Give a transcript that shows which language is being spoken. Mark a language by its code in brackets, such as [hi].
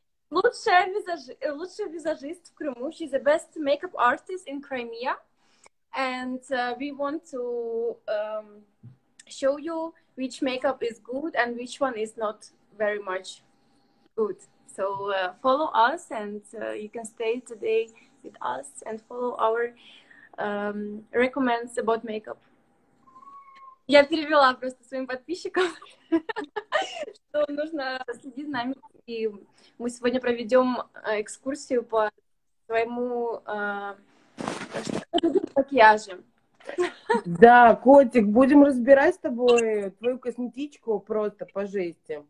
[ru] Лучшая визажист в Крыму. [en] She's the best makeup artist in Crimea. And we want to show you which makeup is good and which one is not very much good. So follow us and you can stay today with us and follow our recommends about makeup. [ru] Я перевела просто своим подписчикам, что нужно следить за нами, и мы сегодня проведем экскурсию по своему макияжу. Да, котик, будем разбирать с тобой твою косметичку просто по жести.